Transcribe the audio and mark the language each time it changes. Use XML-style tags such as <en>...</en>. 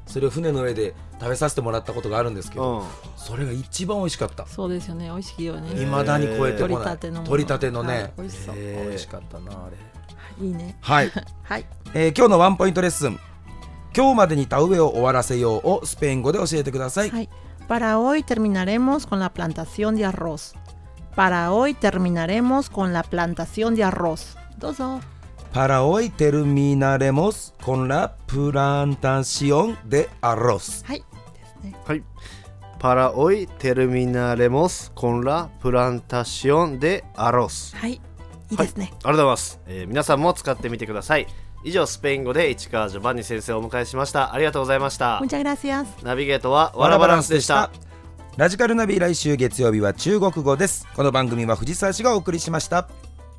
<ja>それを船の上で食べさせてもらったことがあるんですけど、うん、それが一番美味しかった。そうですよね、美味しいよね。未だに超えてこない。取りたてのね、はい、美味しそう、美味しかったなあれ。いいね、はい、はい、今日のワンポイントレッスン、今日までに田植えを終わらせようをスペイン語で教えてください。</ja> <es>はい、 Para hoy terminaremos con la plantación de arroz. Para hoy terminaremos con la plantación de arroz.</es> <ja>どうぞ。</ja> <es>Para hoy terminaremos con la plantación de arroz.</es> <ja>はい、はい。</ja> <es>Para hoy terminaremos con la plantación de arroz.</es> <ja>はい、いいですね。はい、ありがとうございます。皆さんも使ってみてください。以上、スペイン語で市川ジョバンニ先生をお迎えしました。ありがとうございました。</ja> <es>Muchas gracias。</es> <ja>ナビゲートはワラバランスでした。ラジカルナビ、来週月曜日は中国語です。この番組は藤沢氏がお送りしました。</ja>